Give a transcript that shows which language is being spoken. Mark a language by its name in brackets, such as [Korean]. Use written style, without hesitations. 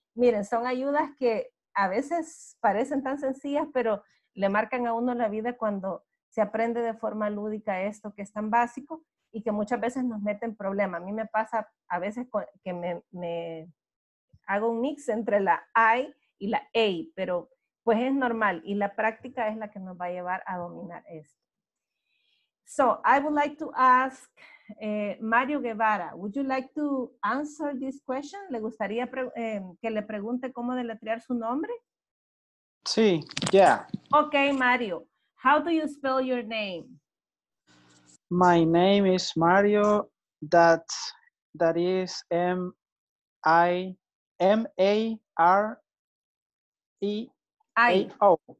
[Spanish] Miren, son ayudas que a veces parecen tan sencillas, pero le marcan a uno la vida cuando se aprende de forma lúdica esto que es tan básico y que muchas veces nos mete en problemas. A mí me pasa a veces que me hago un mix entre la I y la A, pero pues es normal y la práctica es la que nos va a llevar a dominar esto. [English] So, I would like to ask Mario Guevara, would you like to answer this question? [Spanish] ¿Le gustaría que le pregunte cómo deletrear su nombre? Sí, yeah. [English] Okay, Mario, how do you spell your name? My name is Mario, that is M-A-R-E-A-O.